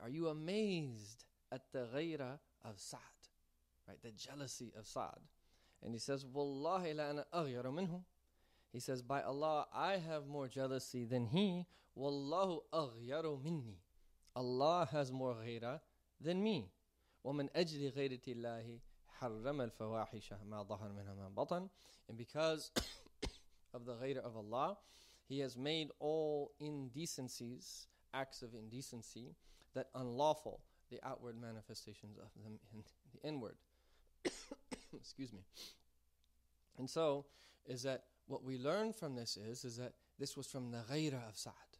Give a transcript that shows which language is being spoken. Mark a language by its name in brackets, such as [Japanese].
[English] Are you amazed at the ghayra of Sa'd? Right? The jealousy of Sa'd. And he says, [Arabic] "Wallahi la ana aghyaru minhu." [English] He says, "By Allah, I have more jealousy than he. [Arabic] Wallahu aghyaru minni." [English] Allah has more ghayra than me. [Arabic] وَمَنْ أَجْلِ غَيْرَةِ اللَّهِ حرم الفواحش ما ظهر منها من بطن. [English] And because of the ghayr of Allah, He has made all indecencies, acts of indecency, that unlawful, the outward manifestations of them in the inward. Excuse me. And so, is that what we learn from this is that this was from the ghayra of Sa'd.